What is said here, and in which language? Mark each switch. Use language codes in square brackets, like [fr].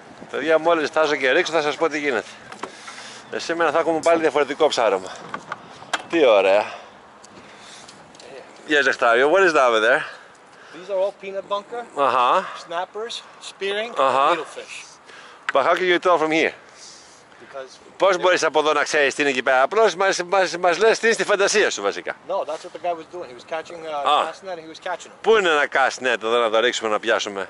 [el] Παιδιά, μόλις στάζω και ρίξω, θα σας πω τι γίνεται. Σήμερα θα έχουμε πάλι διαφορετικό ψάρωμα. Τι ωραία. [en] Yes, Octavio, what is that over there? These are all peanut bunker. Uh-huh. Snappers, spearing, needlefish. But how can you tell from here? [el] Πώς μπορείς από εδώ να ξέρεις τι είναι εκεί πέρα, απλώς μας λες τι είναι στη φαντασία σου βασικά. [en] No, that's what the guy was doing. He was catching a cast net and he was catching them. [el] Πού είναι ένα cast net εδώ να το ρίξουμε να πιάσουμε?